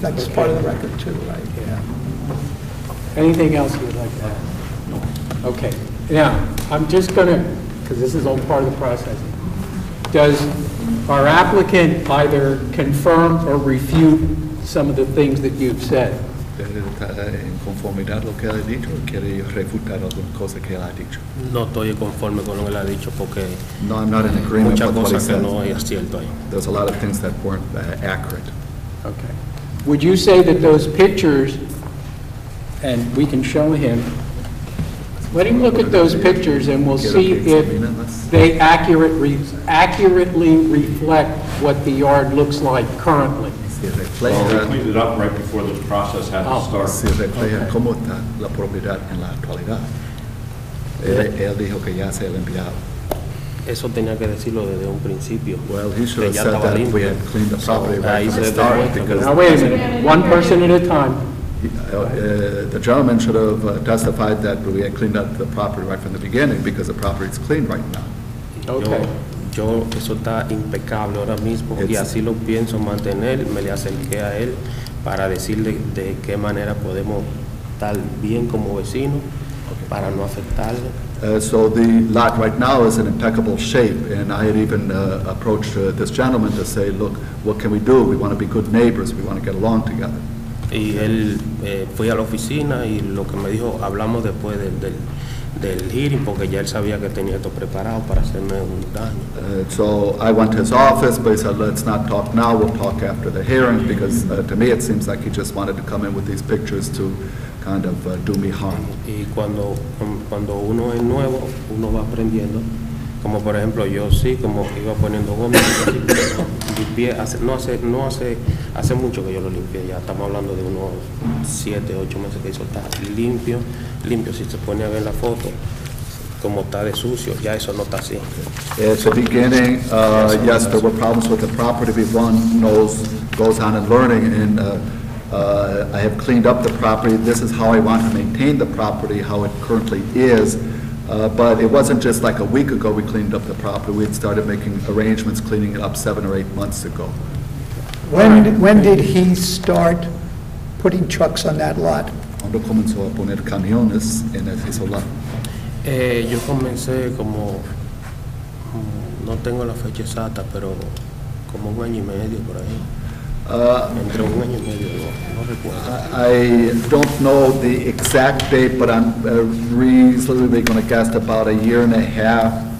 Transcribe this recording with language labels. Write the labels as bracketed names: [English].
[English] That's part of the record, too, right? Anything else you would like to add? No. Okay. Now, I'm just going to, because this is all part of the process, does our applicant either confirm or refute some of the things that you've said? [Spanish] En conformidad lo que ha dicho, quiere refutar algunas cosas que ha dicho. No estoy conforme con lo que ha dicho porque. [English] No, I'm not in agreement with what he said. [Spanish] No es cierto. [English] There's a lot of things that weren't accurate. Okay. Would you say that those pictures, and we can show him, let him look at those pictures and we'll see if they accurately reflect what the yard looks like currently. Well, we cleaned it up right before this process had to start. [Spanish] Si refleja cómo está la propiedad en la actualidad. Él dijo que ya se le enviaba. Eso tenía que decirlo desde un principio. [English] Well, he should have said that we had cleaned the property right from the start. Now, wait a minute. One person at a time. The gentleman should have testified that we had cleaned up the property right from the beginning because the property is clean right now. Okay. [Spanish] Yo, eso está impecable ahora mismo, y así lo pienso mantener. Me le acerqué a él para decirle de qué manera podemos estar bien como vecino para no afectarle. [English] So the lot right now is in impeccable shape, and I had even approached this gentleman to say, look, what can we do? We want to be good neighbors. We want to get along together. [Spanish] Y él fui a la oficina y lo que me dijo, hablamos después del del hearing porque ya él sabía que tenía esto preparado para hacerme un daño. [English] So I went to his office, but he said, let's not talk now, we'll talk after the hearing, because to me it seems like he just wanted to come in with these pictures to kind of do me harm. [Spanish] Y cuando uno es nuevo, uno va aprendiendo, como por ejemplo yo sí, como iba poniendo goma, limpié, hace mucho que yo lo limpié, ya estamos hablando de unos 7-8 meses que hizo, está limpio. Limpio, si se pone a ver la foto, como está de sucio, ya eso no está así. [English] At the beginning, yes, there were problems with the property, but one knows, goes on and learning, and I have cleaned up the property. This is how I want to maintain the property, how it currently is. But it wasn't just like a week ago we cleaned up the property. We had started making arrangements, cleaning it up 7 or 8 months ago. When did he start putting trucks on that lot? [Spanish] Cuando comenzó a poner camiones en el solar. Yo comencé como, no tengo la fecha exacta, pero como un año y medio por ahí. Entre un año y medio, no recuerdo. [English] I don't know the exact date, but I'm reasonably going to guess about a year and a half.